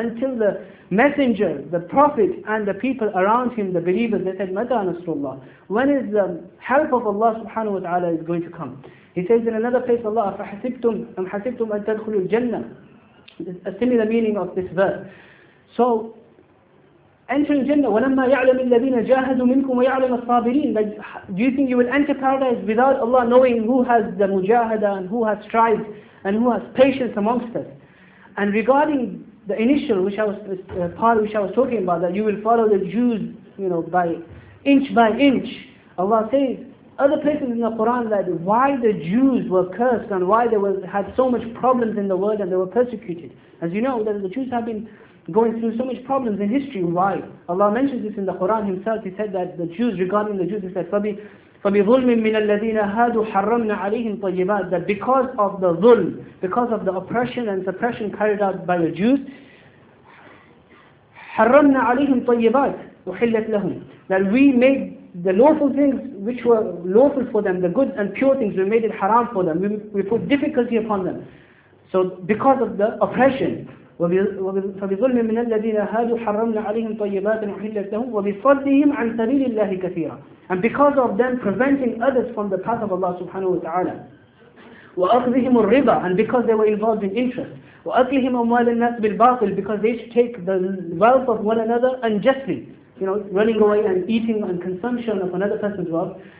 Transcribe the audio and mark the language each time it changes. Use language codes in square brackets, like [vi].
[en] Until the messenger, the prophet, and the people around him, the believers, they said, [ar] مَتَى نَصْرُ اللَّهِ. [en] When is the help of Allah subhanahu wa ta'ala is going to come? He says in another place, Allah, [ar] أَمْ حَسِبْتُمْ أَن تَدْخُلُوا الْجَنَّةِ. [en] A similar meaning of this verse. So, entering Jannah, [ar] وَلَمَّا يَعْلَمِ الَّذِينَ جَاهَدُوا مِنْكُمْ وَيَعْلَمَ الصَّابِرِينَ. [en] But do you think you will enter paradise without Allah knowing who has the mujahada and who has strived and who has patience amongst us? And regarding the initial, which I was talking about, that you will follow the Jews, you know, by inch, Allah says, other places in the Quran, that why the Jews were cursed and why they had so much problems in the world and they were persecuted. As you know, that the Jews have been going through so much problems in history. Why? Allah mentions this in the Quran himself. He said that the Jews, regarding the Jews, he said, [ar] فَبِظُلْمٍ مِّنَ الَّذِينَ هَادُوا حَرَّمْنَا عَلَيْهِمْ طَيِّبَاتٍ. [en] That because of the ظلم, because of the oppression and suppression carried out by the Jews, [ar] حَرَّمْنَا عَلَيْهِمْ طَيِّبَاتٍ وَحِلَّتْ لَهُمْ. [en] That we made the lawful things which were lawful for them, the good and pure things, we made it haram for them. We put difficulty upon them. So because of the oppression, [ar] فَبِظُلْمٍ مِّنَ الَّذِينَ هَادُوا حَرَّمْنَا عَلَيْهِمْ طَيِّبَاتٍ وَحِلَّتْ لَهُمْ وَبِصَدِّهِمْ عَنْ سَبِيلِ اللَّهِ كَثِيرًا. [en] And because of them preventing others from the path of Allah subhanahu wa ta'ala. [ar] وَأَخْذِهِمُ الرِّبَى. [en] And because they were involved in interest. [ar] وَأَكْلِهِمْ أَمْوَالَ النَّاسِ بِالْبَاطِلِ. [en] Because they used to take the wealth of one another unjustly. You know, running away and eating and consumption of another person's wealth.